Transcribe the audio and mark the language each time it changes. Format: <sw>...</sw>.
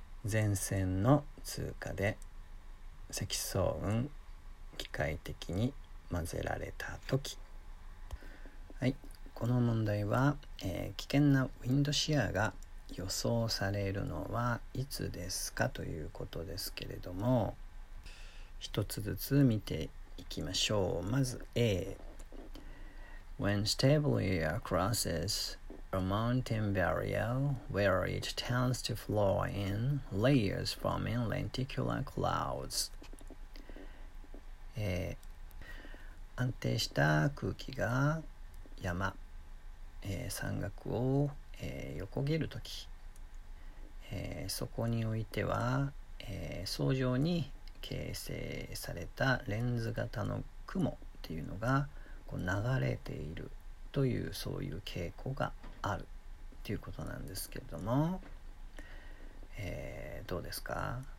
<ja>前線の通過で積層雲、機械的に混ぜられた時。はい、この問題は、危険なウィンドシェアが予想されるのはいつですかということですけれども、一つずつ見ていきましょう。まず A.</ja> <en>When stable air crosses a mountain barrier, where it tends to flow in layers forming lenticular clouds.</en> <ja>安定した空気が山、山岳を、横切るとき、そこにおいては、層状に形成されたレンズ型の雲っていうのがこう流れているという、そういう傾向があるっていうことなんですけれども、どうですか？</ja>